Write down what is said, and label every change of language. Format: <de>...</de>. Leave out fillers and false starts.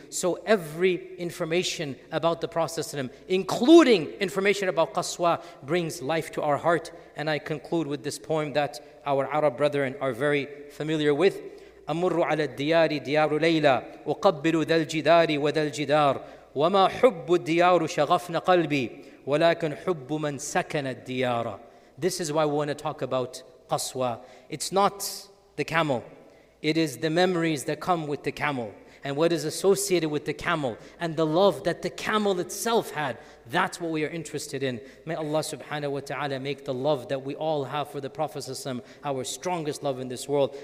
<en>So every information about the Prophet, including information about Qaswa, brings life to our heart. And I conclude with this poem that our Arab brethren are very familiar with.</en> <ar>أمر على الديار ديار ليلى أقبل ذا الجدار وذا الجدار وما حب الديار شغفن قلبي ولكن حب من سكن الديار.</ar> <en>This is why we want to talk about Qaswa. It's not the camel. It is the memories that come with the camel and what is associated with the camel and the love that the camel itself had. That's what we are interested in. May Allah subhanahu wa ta'ala make the love that we all have for the Prophet ﷺ our strongest love in this world.</en>